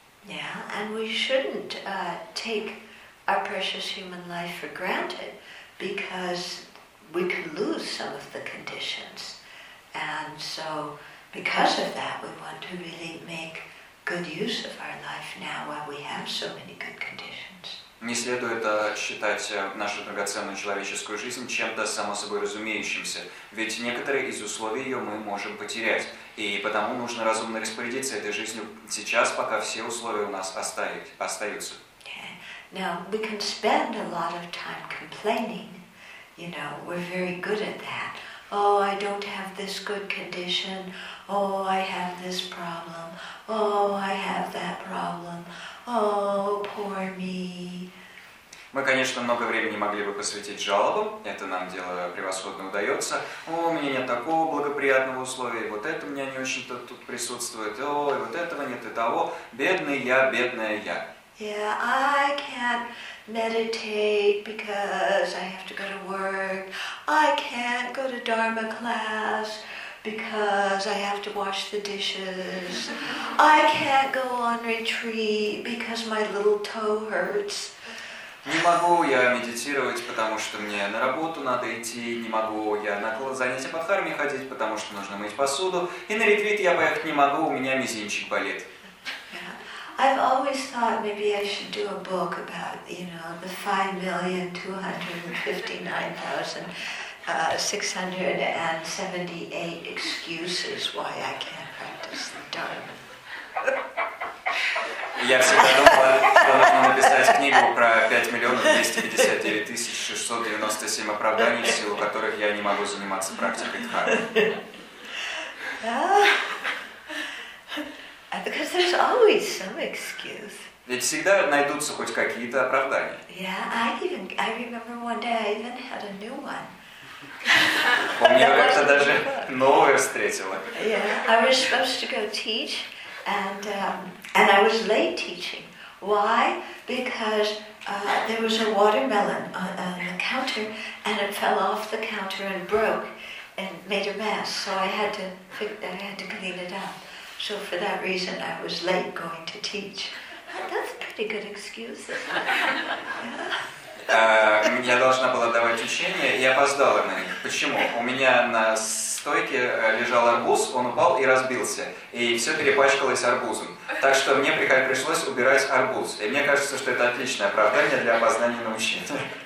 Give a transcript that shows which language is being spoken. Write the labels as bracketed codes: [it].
[en] Yeah, and we shouldn't take our precious human life for granted, because we could lose some of the conditions, and so because of that, we want to really make good use of our life now while we have so many good conditions. [ru] Не следует считать нашу драгоценную человеческую жизнь чем-то само собой разумеющимся, ведь некоторые из условий ее мы можем потерять, и потому нужно разумно распорядиться этой жизнью сейчас, пока все условия у нас остаются. [en] Now, we can spend a lot of time complaining, you know, we're very good at that. Oh, I don't have this good condition, oh, I have this problem, oh, I have that problem, oh, poor me. [ru] Мы, конечно, много времени могли бы посвятить жалобам, это нам дело превосходно удается. О, у меня нет такого благоприятного условия, вот это у меня не очень-то тут присутствует, о, и вот этого нет, и того, бедный я, бедная я. [en] Yeah, I can't meditate because I have to go to work. I can't go to Dharma class because I have to wash the dishes. I can't go on retreat because my little toe hurts. [ru] Не могу я медитировать, потому что мне на работу надо идти. Не могу я на занятия по дхарме ходить, потому что нужно мыть посуду. И на ретрит я поехать не могу, у меня мизинчик болит. [en] I've always thought maybe I should do a book about, you know, the 5,259,678 excuses why I can't practice the Dharma. [ru] Я всегда думала, что нужно написать книгу про 5,259,697 оправданий, в силу которых я не могу заниматься практикой Дхармы. [en] Because there's always some excuse. [ru] Ведь всегда найдутся хоть какие-то оправдания. [en] Yeah, I remember one day I even had a new one. [ru] У меня как-то даже новое встретило. [en] Yeah, I was supposed to go teach, and I was late teaching. Why? Because there was a watermelon on the counter, and it fell off the counter and broke, and made a mess. So I had to clean it up. So for that reason, I was late going to teach. That's a pretty good excuse. [ru] Я должна была давать учение и опоздала на них. Почему? У меня на стойке лежал арбуз, он упал и разбился. И все перепачкалось арбузом. Так что мне пришлось убирать арбуз. И мне кажется, что это отличное оправдание для опоздания на учение.